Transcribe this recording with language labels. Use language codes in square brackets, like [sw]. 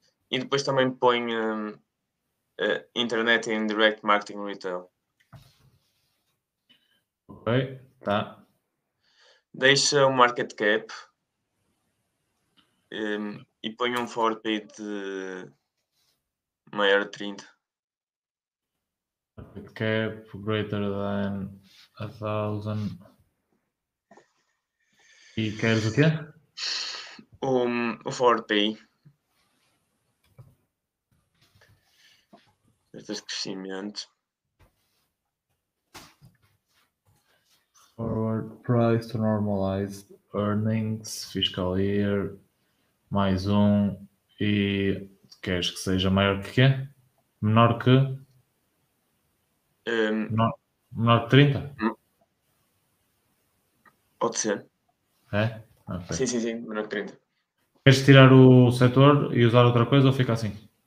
[pt] E depois também põe Internet and Direct Marketing Retail. Ok, tá. Deixa o Market Cap. E ponho um forward pay de maior de 30. [en] Market cap greater than 1000. [pt] E queres o quê? O forward pay. Estas de crescimento. [en] Forward price to normalize earnings fiscal year. [pt] Mais um, e queres que seja maior que quê? Menor que? Menor que 30? Pode ser. É? Okay. Sim, menor que 30. Queres tirar o setor e usar outra coisa ou fica assim?